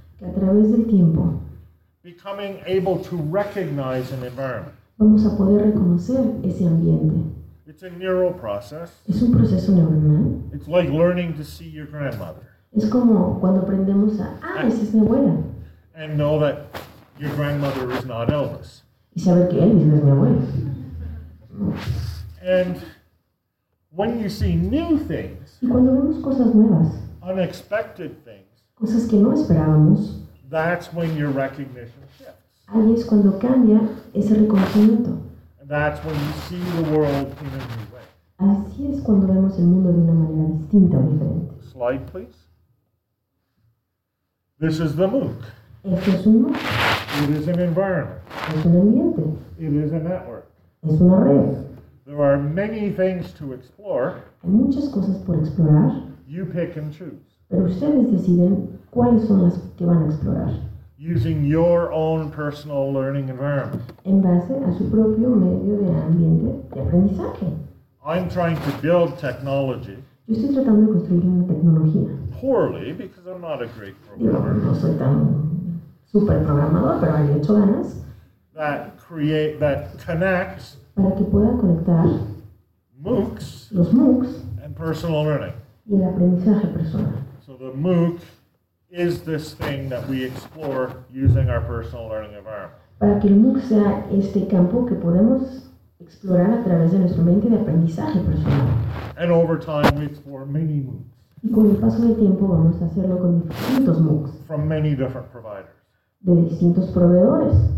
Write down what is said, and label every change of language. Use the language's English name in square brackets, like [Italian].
[Spanish] Que a través del tiempo. [English] Becoming able to recognize an environment. [Spanish] Vamos a poder reconocer ese ambiente. [English] It's a neural process. [Spanish] Es un proceso neuronal. [English] It's like learning to see your grandmother. [Spanish] Es como cuando aprendemos a, ah, esa es mi abuela. [English] And know that your grandmother is not Elvis. [Spanish] Y saber que Elvis no es mi abuelo. [English] And when you see new things, [Spanish] y cuando vemos cosas nuevas, [English] unexpected things, [Spanish] cosas que no esperábamos, [English] that's when your recognition shifts. [Spanish] Ahí es cuando cambia ese reconocimiento. [English] And that's when you see the world in a new way. [Spanish] Así es cuando vemos el mundo de una manera distinta o diferente. [English] Slide, please. This is the MOOC. [Spanish] Esto es un MOOC. [English] It is an environment. [Spanish] Es un ambiente. [English] It is a network. [Spanish] Es una red. [English] There are many things to explore. [Spanish] Hay muchas cosas por explorar. [English] You pick and choose. [Spanish] Pero ustedes deciden cuáles son las que van a explorar. [English] Using your own personal learning environment. [Spanish] En base a su propio medio de ambiente de aprendizaje. [English] I'm trying to build technology. [Spanish] Yo estoy tratando de construir una tecnología. [English] Poorly, because I'm not a great programmer. [Spanish] Digo, no soy tan super programador, pero hay hecho ganas. [English] That create, that connects. [Spanish] Para que pueda conectar. [English] MOOCs. [Spanish] Los MOOCs. [English] And personal learning. [Spanish] Y el aprendizaje personal. [English] So the MOOC is this thing that we explore using our personal learning environment. [Spanish] Para que el MOOC sea este campo que podemos explorar a través de nuestro mente de aprendizaje personal. [English] And over time we explore many MOOCs. [Spanish] Y con el paso del tiempo vamos a hacerlo con distintos MOOCs. [English] From many different providers. [Spanish] De distintos proveedores.